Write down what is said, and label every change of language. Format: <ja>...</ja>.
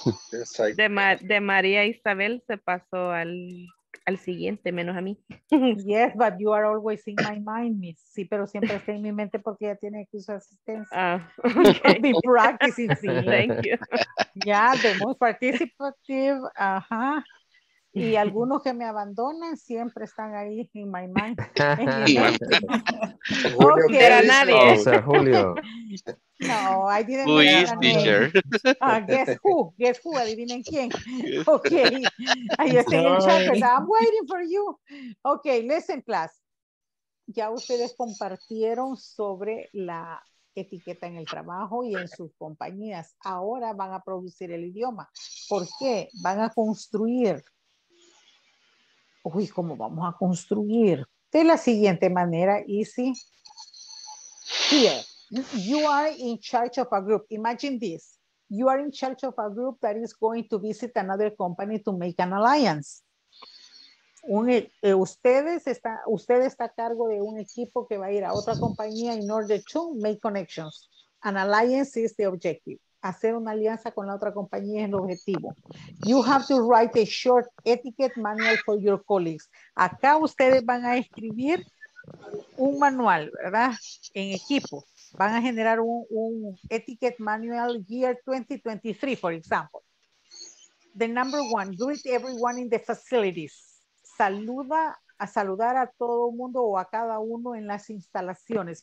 <en>Yes,</en> <es>de María Isabel se pasó al siguiente, menos a mí.</es> <en>Yes, but you are always in my mind, miss.</en> <es>Sí, pero siempre está en mi mente porque ya tiene aquí su asistencia.</es> <en>Okay. Be practicing, sí. Thank you. Yeah, the most participative. Ajá.</en> <es>Y algunos que me abandonan siempre están ahí</es> <en>in my mind.</en> <es>No quiero a nadie. O sea, Julio.</es> <en>No, I didn't. Who is teacher? Guess who?</en> <es>Adivinen quién.</es> <en>Okay. I just stay in chat, ¿verdad? I'm waiting for you. Okay, listen, class.</en> <es>Ya ustedes compartieron sobre la etiqueta en el trabajo y en sus compañías. Ahora van a producir el idioma. ¿Por qué? Van a construir. Uy, ¿cómo vamos a construir? De la siguiente manera, easy.</es> <en>Here, you are in charge of a group. Imagine this. You are in charge of a group that is going to visit another company to make an alliance.</en> <es>Usted está a cargo de un equipo que va a ir a otra compañía</es> <en>in order to make connections. An alliance is the objective.</en> <es>Hacer una alianza con la otra compañía es el objetivo.</es> <en>You have to write a short etiquette manual for your colleagues.</en> <es>Acá ustedes van a escribir un manual, ¿verdad? En equipo. Van a generar un</es> <en>etiquette manual year 2023, for example. The number one, greet everyone in the facilities.</en> <es>Saludar a todo mundo o a cada uno en las instalaciones.</es>